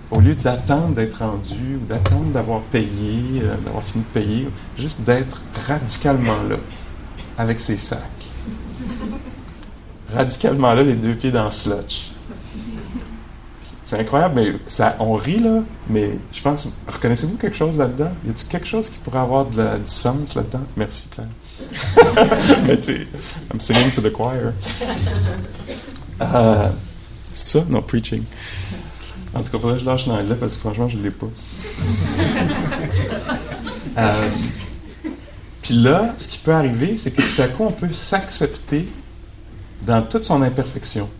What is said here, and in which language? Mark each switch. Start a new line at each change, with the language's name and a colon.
French: Au lieu d'attendre d'être rendu, ou d'attendre d'avoir payé, d'avoir fini de payer, juste d'être radicalement là, avec ses sacs. Radicalement là, les deux pieds dans le slotch. C'est incroyable, mais ça, on rit, là, mais je pense, reconnaissez-vous quelque chose là-dedans? Y a-t-il quelque chose qui pourrait avoir du sens là-dedans? Merci, Claire. Mais tu sais,
English: I'm singing to the choir.
French: C'est ça? Non, preaching. En tout cas, il faudrait que je lâche l'anglais parce que franchement, je ne l'ai pas. Puis là, ce qui peut arriver, c'est que tout à coup, on peut s'accepter dans toute son imperfection.